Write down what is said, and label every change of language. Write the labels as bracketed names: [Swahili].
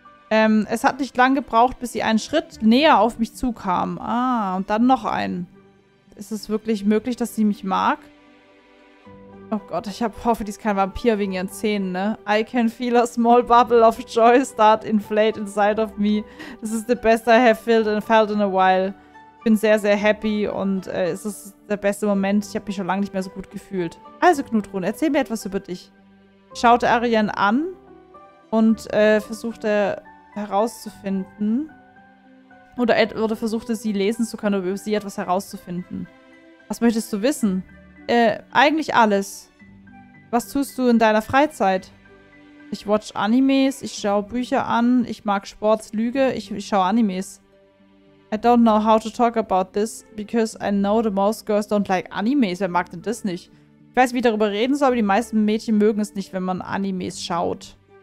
[German] Es hat nicht lang gebraucht, bis sie einen Schritt näher auf mich zukam. Ah, und dann noch einen. Ist es wirklich möglich, dass sie mich mag? Oh Gott, ich hoffe, die ist kein Vampir wegen ihren Zähnen, ne? [English] I can feel a small bubble of joy start inflate inside of me. This is the best I have felt in a while. [German] Ich bin sehr, sehr happy und es ist der beste Moment. Ich habe mich schon lange nicht mehr so gut gefühlt. Also, Knutrun, erzähl mir etwas über dich. Ich schaute Ariane an und versuchte herauszufinden. Oder versuchte sie lesen zu können, oder über sie etwas herauszufinden. Was möchtest du wissen? Eigentlich alles. Was tust du in deiner Freizeit? Ich watch Animes, ich schaue Bücher an, ich mag Sports, Lüge, ich schaue Animes. [English] I don't know how to talk about this, because I know the most girls don't like Animes. [German] Wer mag denn das nicht? Ich weiß, wie ich darüber reden soll, aber die meisten Mädchen mögen es nicht, wenn man Animes schaut.